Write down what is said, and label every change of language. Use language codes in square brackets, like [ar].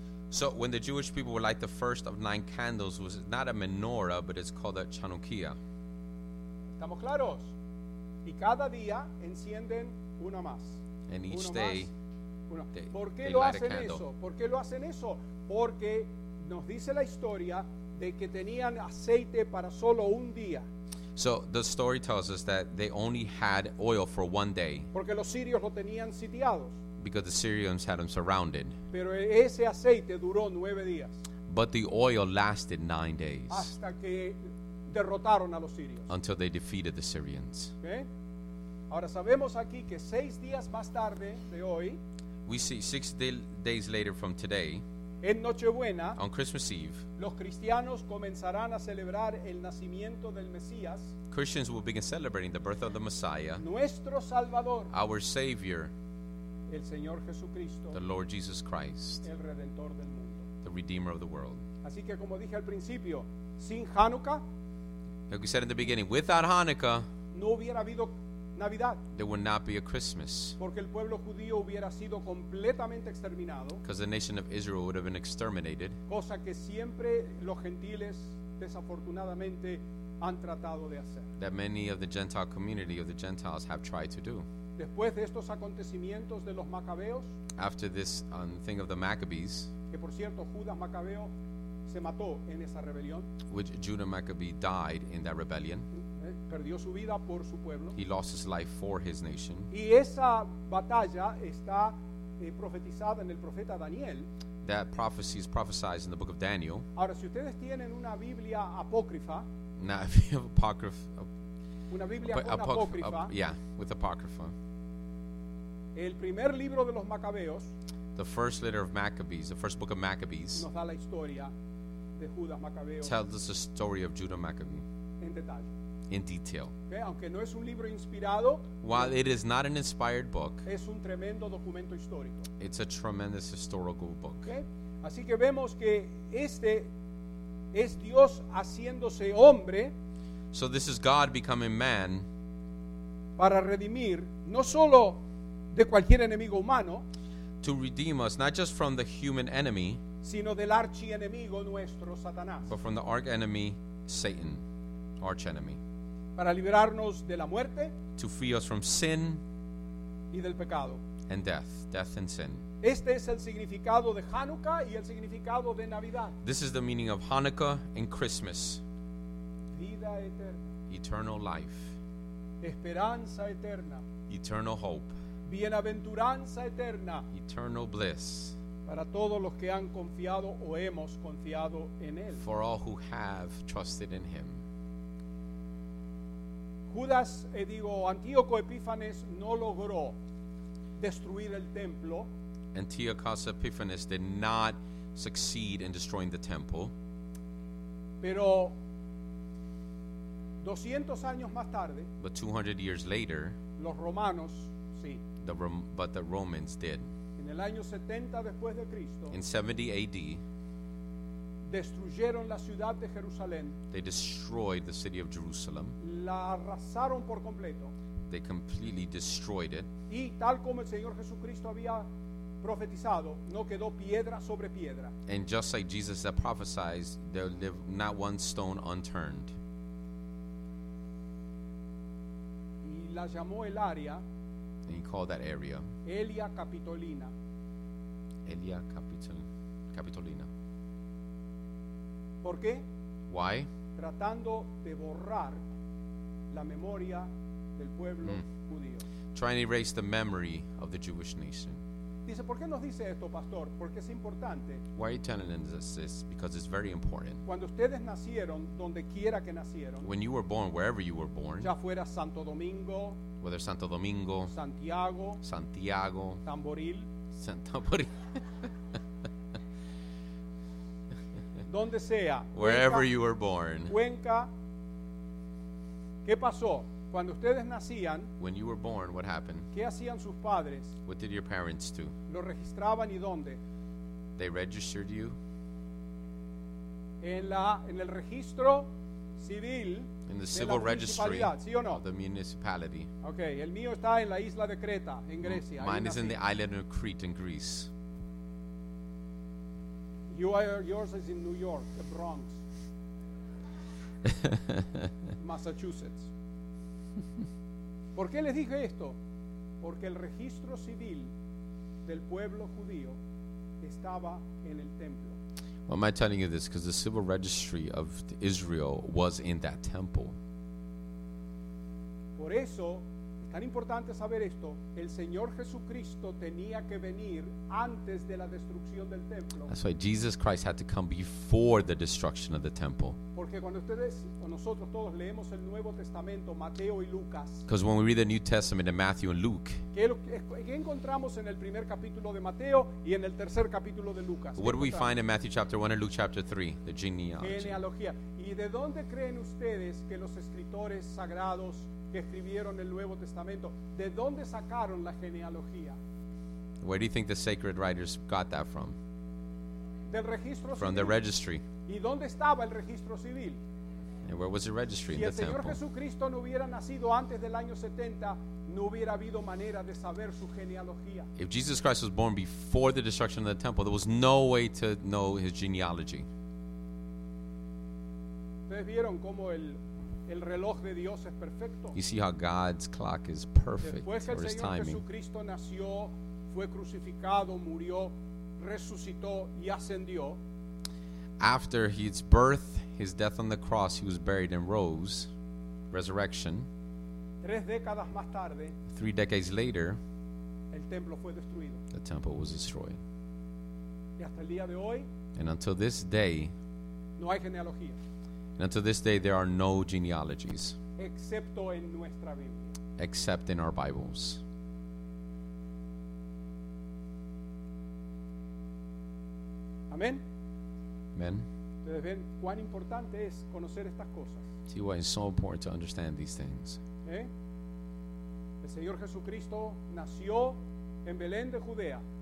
[en] So when the Jewish people would light the first of 9 candles, it was not a menorah, but it's called a chanukiah. [es] ¿Estamos claros? Y cada día encienden una más. [en] And each day, they [es] ¿por qué lo hacen eso? ¿Por qué lo hacen eso? Porque nos dice la historia de que tenían aceite para solo un día. [en] So the story tells us that they only had oil for one day. [es] Porque los sirios lo tenían sitiados. [en] Because the Syrians had them surrounded. [es] Pero ese aceite duró 9 días. [en] But the oil lasted 9 days. [es] Hasta que derrotaron a los sirios. [en] Until they defeated the Syrians. Okay. [es] Ahora sabemos aquí que seis días más tarde de hoy, [en] we see 6 days later from today, [es] en Nochebuena, [en] on Christmas Eve, [es] los cristianos comenzarán a celebrar el nacimiento del Mesías. [en] Christians will begin celebrating the birth of the Messiah, [es] nuestro Salvador, [en] our Savior, [es] el Señor Jesucristo, [en] the Lord Jesus Christ, [es] el Redentor del mundo, [en] the Redeemer of the world. [es] Así que como dije al principio, sin Hanukkah, [en] like we said in the beginning, without Hanukkah, [es] no hubiera habido Navidad. [en] There would not be a Christmas. [es] Porque el pueblo judío hubiera sido completamente exterminado. [en] Because the nation of Israel would have been exterminated. [es] Cosa que siempre los gentiles desafortunadamente han tratado de hacer. [en] That many of the Gentile community of the Gentiles have tried to do. [es] Después de estos acontecimientos de los Macabeos. [en] After this thing of the Maccabees. [es] Que por cierto Judas Macabeo se mató en esa rebelión. [en] Which Judah Maccabee died in that rebellion. [es] Perdió su vida por su pueblo. [en] He lost his life for his nation. [es] Y esa batalla está profetizada en el profeta Daniel. [en] That prophecy is prophesied in the book of Daniel. [es] Ahora, si ustedes tienen una Biblia apócrifa, [en] now, if you have apocrypha, [es] una Biblia con apócrifa, [en] yeah, with apocrypha, [es] el primer libro de los Macabeos, [en] the first letter of Maccabees, the first book of Maccabees, [es] nos da la historia de Judas Macabeo. [en] Tells us the story of Judah Maccabee. [es] En detalle. [en] In detail. [es] Okay, aunque no es un libro inspirado, [en] while it is not an inspired book, [es] es un tremendo documento histórico. [en] It's a tremendous historical book. Okay? [es] Así que vemos que este es Dios haciéndose hombre. [en] So this is God becoming man. [es] Para redimir no solo de cualquier enemigo humano. [en] To redeem us not just from the human enemy, [es] sino del archienemigo nuestro Satanás. [en] But from the arch enemy Satan, arch enemy. [es] Para liberarnos de la muerte, [en] to free us from sin, [es] y del pecado, [en] and death and sin. [es] Este es el significado de Hanukkah y el significado de Navidad. [en] This is the meaning of Hanukkah and Christmas. [es] Vida eterna. [en] Eternal life. [es] Esperanza eterna. [en] Eternal hope. [es] Bienaventuranza eterna. [en] Eternal bliss. [es] Para todos los que han confiado o hemos confiado en él. [en] For all who have trusted in him. [es] Judas, Antíoco Epífanes no logró destruir el templo. [en] Antiochus Epiphanes did not succeed in destroying the temple. [es] Pero 200 años más tarde, [en] but 200 years later, [es] los romanos, sí. [en] But the Romans did. [es] En el año 70 después de Cristo, [en] in 70 AD, [es] destruyeron la ciudad de Jerusalén. [en] They destroyed the city of Jerusalem. [es] La arrasaron por completo. [en] They completely destroyed it. [es] Y tal como el Señor Jesucristo había profetizado, no quedó piedra sobre piedra. [en] And just like Jesus had prophesied, there lived not one stone unturned. [es] Y la llamó el área. [en] And he called that area. Elia Capitolina. Elia Capitolina. [es] ¿Por qué? [en] Why? [es] Tratando de borrar la memoria del pueblo judío. [en] Trying to erase the memory of the Jewish nation. [es] Dice, ¿por qué nos dice esto, pastor? Porque es importante. [en] Why are you telling us this? Because it's very important. [es] Cuando ustedes nacieron, donde quiera que nacieron. [en] When you were born, wherever you were born. [es] Ya fuera Santo Domingo. [en] Whether Santo Domingo. [es] Santiago. [en] Santiago. [es] Tamboril. [en] Santamboril. [es] Donde sea. [en] Wherever Cuenca, you were born. [es] Cuenca. ¿Qué pasó? Cuando ustedes nacían. [en] When you were born, what happened? [es] ¿Qué hacían sus padres? [en] What did your parents do? [es] ¿Lo registraban y dónde? [en] They registered you. [es] En el registro civil. [en] In the civil registry. [es] ¿Sí o no? [en] Of the municipality. [es] Okay, el mío está en la isla de Creta, en Grecia. [en] Mine is in the island of Crete in Greece. Yours is in New York, the Bronx, Massachusetts. [es] ¿Por qué les dije esto? Porque el registro civil del pueblo judío estaba en el templo. [en] Why am I telling you this? Because the civil registry of Israel was in that temple. [es] Por eso Tan importante saber esto, el Señor Jesucristo tenía que venir antes de la destrucción del templo. [en] That's why Jesus Christ had to come before the destruction of the temple. [es] Porque cuando ustedes o nosotros todos leemos el Nuevo Testamento, Mateo y Lucas. [en] Because when we read the New Testament in Matthew and Luke. [es] ¿Qué encontramos en el primer capítulo de Mateo y en el tercer capítulo de Lucas? [en] What do we find in Matthew chapter 1 and Luke chapter 3, the genealogy? [es] Genealogía. ¿Y de dónde creen ustedes que los escritores sagrados que escribieron el Nuevo Testamento, de dónde sacaron la genealogía? [en] Where do you think the sacred writers got that from? [es] Del registro civil. [en] From the registry. [es] ¿Y dónde estaba el registro civil? [en] And where was the registry [es] si [en] in the temple? [es] Si el Señor Jesucristo no hubiera nacido antes del año 70, no hubiera habido manera de saber su genealogía. [en] If Jesus Christ was born before the destruction of the temple, there was no way to know his genealogy. [es] ¿Ustedes vieron cómo el reloj de Dios es perfecto? [en] You see how God's clock is perfect for his timing. [es] Después que el Señor Jesucristo nació, fue crucificado, murió, resucitó y ascendió. [en] After his birth, his death on the cross, he was buried and rose, resurrection. [es] 3 décadas más tarde, [en] 3 decades later, [es] el templo fue destruido. [en] The temple was destroyed. [es] Y hasta el día de hoy, [en] and until this day, [es] no hay genealogía. [en] And until this day, there are no genealogies. [es] Excepto en nuestra Biblia. [en] Except in our Bibles. [es] Amen. [en] Amen. [es] ¿Ustedes ven cuán importante es conocer estas cosas? [en] See why it's so important to understand these things. ¿Eh? [es] El Señor Jesucristo nació en Belén de Judea.